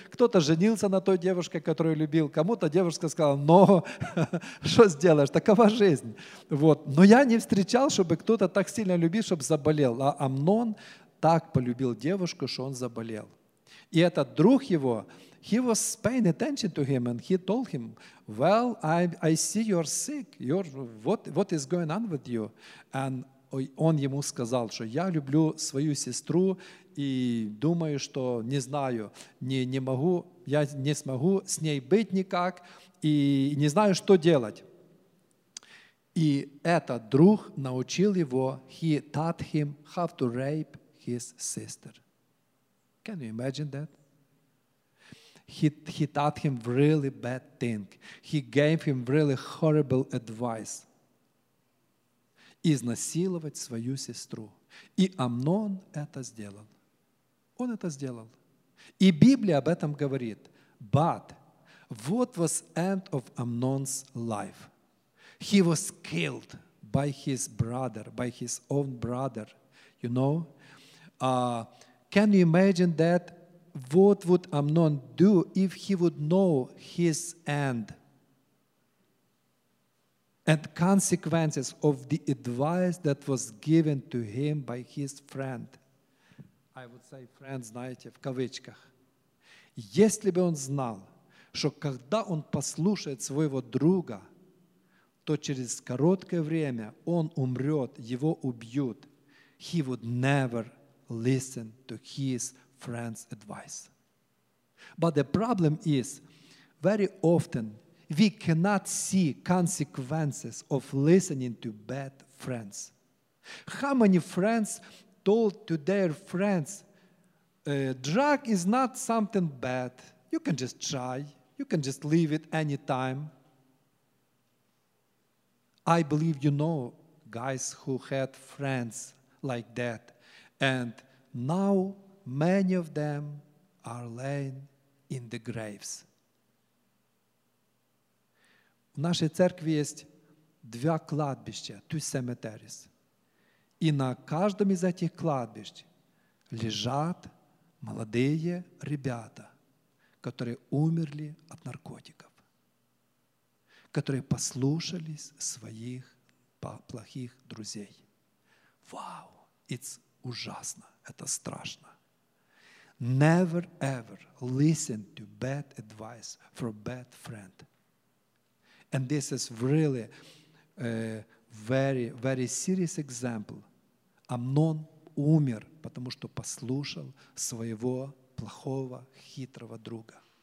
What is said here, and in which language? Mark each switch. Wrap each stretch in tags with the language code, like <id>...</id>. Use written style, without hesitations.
<ru>Кто-то женился на той девушке, которую любил. Кому-то девушка сказала, но что сделаешь, такова жизнь. Вот. Но я не встречал, чтобы кто-то так сильно любил, чтобы заболел. А Амнон так полюбил девушку, что он заболел. И этот друг его,</ru> <en>he was paying attention to him, and he told him, well, I see you're sick. What is going on with you?</en> <ru>And он ему сказал, что я люблю свою сестру и думаю, что не знаю, не могу, я не смогу с ней быть никак и не знаю, что делать. И этот друг научил его,</ru> <en>he taught him how to rape his sister. Can you imagine that? He taught him really bad thing. He gave him really horrible advice.</en> <ru>Изнасиловать свою сестру. И Амнон это сделал. Он это сделал. И Библия об этом говорит.</ru> <en>But what was end of Amnon's life? He was killed by his brother, by his own brother. You know? Can you imagine that? What would Amnon do if he would know his end and consequences of the advice that was given to him by his friend? I would say friend,</en> <ru>знаете, в кавычках. Если бы он знал, что когда он послушает своего друга, то через короткое время он умрет, его убьют,</ru> <en>he would never listen to his friend's advice. But the problem is, very often, we cannot see consequences of listening to bad friends. How many friends told to their friends, drug is not something bad, you can just try, you can just leave it anytime. I believe you know guys who had friends like that, and now many of them are laying in the graves.</en> <ru>В нашей церкви есть два кладбища,</ru> <en>two cemeteries.</en> <ru>И на каждом из этих кладбищ лежат молодые ребята, которые умерли от наркотиков, которые послушались своих плохих друзей. Вау, it's ужасно, это страшно.</ru> <en>Never ever listen to bad advice from bad friend. And this is really a very, very serious example.</en> <ru>Амнон умер, потому что послушал своего плохого, хитрого друга.</ru>